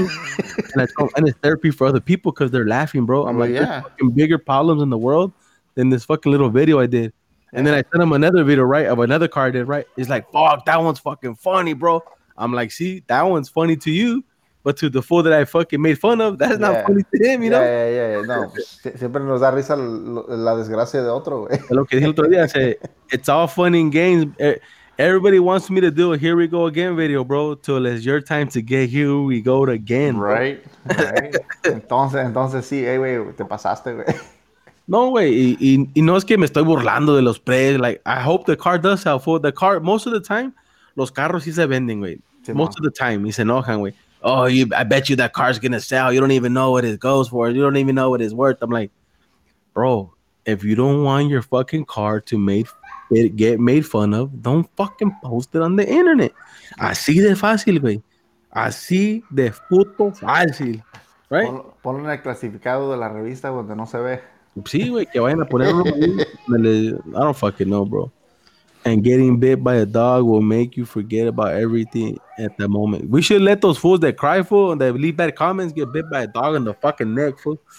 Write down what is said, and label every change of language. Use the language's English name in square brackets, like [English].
[English] and it's therapy for other people because they're laughing, bro. I'm like, yeah. There's fucking bigger problems in the world than this fucking little video I did. Yeah. And then I sent him another video, right, of another car I did, right? He's like, fuck, that one's fucking funny, bro. I'm like, see, that one's funny to you. But to the fool that I fucking made fun of, that's not funny to him, you know? Yeah. [Spanish] No, siempre nos da risa la desgracia de otro, güey. Lo que dije el otro día, [English] it's all fun and games. Everybody wants me to do a here we go again video, bro, till it's your time to get here we go again. Bro. Right. [Spanish] Entonces, sí, hey, güey, te pasaste, güey. No, güey, y no es que me estoy burlando de los precios. [English] Like, I hope the car does sell. For the car, most of the time, [Spanish] los carros sí se venden, güey. Sí, [English] most of the time, [Spanish] y se enojan, güey. [English] Oh, I bet you that car's gonna sell. You don't even know what it goes for. You don't even know what it's worth. I'm like, bro, if you don't want your fucking car to get made fun of, don't fucking post it on the internet. [Spanish] Así de fácil, güey. Así de puto fácil. [English] Right? [Spanish] Ponlo en el clasificado de la revista donde no se ve. Sí, güey, que vayan a ponerlo. [English] I don't fucking know, bro. And getting bit by a dog will make you forget about everything at the moment. We should let those fools that cry, fool, and that leave bad comments get bit by a dog in the fucking neck, fool.